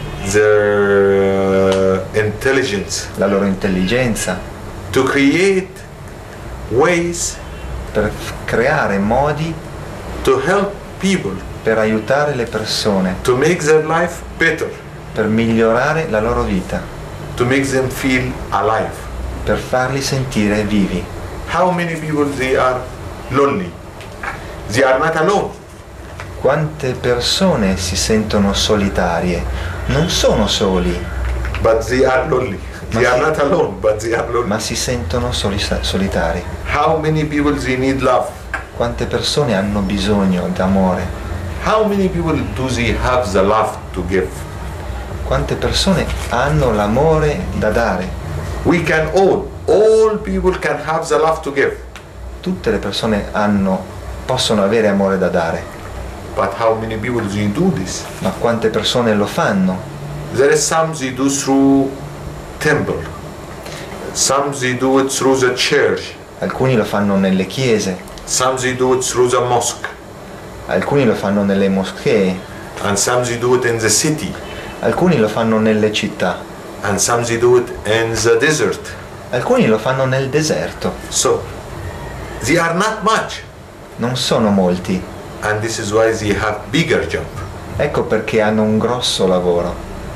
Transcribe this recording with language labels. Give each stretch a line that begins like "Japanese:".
English: their intelligence,
Italian: la loro intelligenza,
English: to create ways,
Italian: per creare modi,
English: to help people,
Italian: per aiutare le persone,
English: to make their life better,
Italian: per migliorare la loro vita,
English: to make them feel alive,
Italian: per farli sentire vivi.
English: How many people they are lonely? They are not alone.
Italian: Quante persone si sentono solitarie? Non sono soli.
English: But they are lonely. They are not alone, but they are lonely.
Italian: Ma si sentono solitari.
English: How many people they need love?
Italian: Quante persone hanno bisogno d'amore?
English: How many people do they have the love to give?
Italian: Quante persone hanno l'amore da dare?
English: We can all people can have the love to give.
Italian: Tutte le persone possono avere amore da dare.
English: But how many people do do this?
Italian: Ma quante persone lo fanno?
English: There are some they do through temple. Some they do it through the church.
Italian: Alcuni lo fanno nelle chiese.
English: Some they do it through the mosque.
Italian: Alcuni lo fanno nelle moschee.
English: And some they do it in the city.
Italian: Alcuni lo fanno nelle città.
English: And some they do it in the desert.
Italian: Alcuni lo fanno nel deserto.
English: So they are not much.
Italian: Non sono molti.
English: And this is why they have bigger job.
Italian: Ecco perché hanno un grosso lavoro.